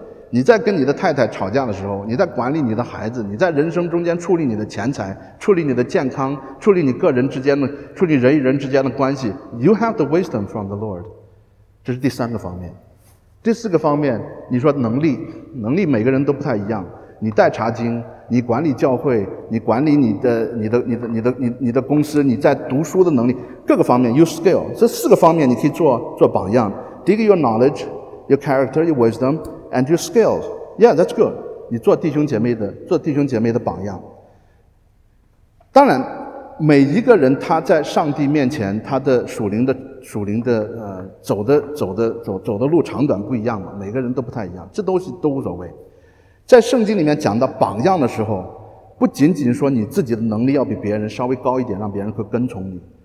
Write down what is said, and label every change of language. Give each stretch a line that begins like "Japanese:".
Chinese: 你在跟你的太太吵架的时候，你在管理你的孩子，你在人生中间处理你的钱财，处理你的健康，处理你个人之间的，处理人与人之间的关系，
English: You have the wisdom from the Lord。
Chinese: 这是第三个方面。第四个方面，你说能力每个人都不太一样，你带查经，你管理教会，你管理你的公司，你在读书的能力，各个方面
English: You skill。
Chinese: 这四个方面你可以做榜样。第一个
English: Your knowledge, Your character, Your wisdomAnd your skills, yeah, that's good.
Chinese: 你做弟兄姐妹的榜样。当然，每一个人他在上帝面前，他的属灵的走的路长短不一样嘛，每个人都不太一样，这东西都无所谓。在圣经里面讲到榜样的时候，不仅仅说你自己的能力要比别人稍微高一点，让别人会跟从你。